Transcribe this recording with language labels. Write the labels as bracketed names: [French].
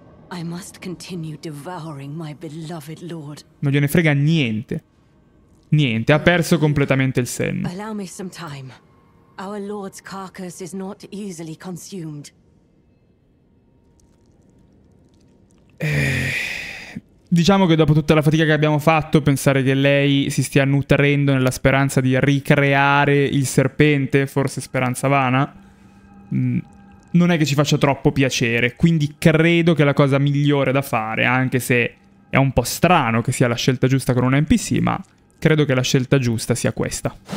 [English] I must continue devouring my beloved lord. [Italian] Non gliene frega niente. Niente, ha perso completamente il senno. [English] Allow me some time. Our lord's carcass is not easily consumed. [Italian] Diciamo che dopo tutta la fatica che abbiamo fatto, pensare che lei si stia nutrendo nella speranza di ricreare il serpente, forse speranza vana, non è che ci faccia troppo piacere. Quindi credo che la cosa migliore da fare, anche se è un po' strano che sia la scelta giusta con un NPC, ma credo che la scelta giusta sia questa.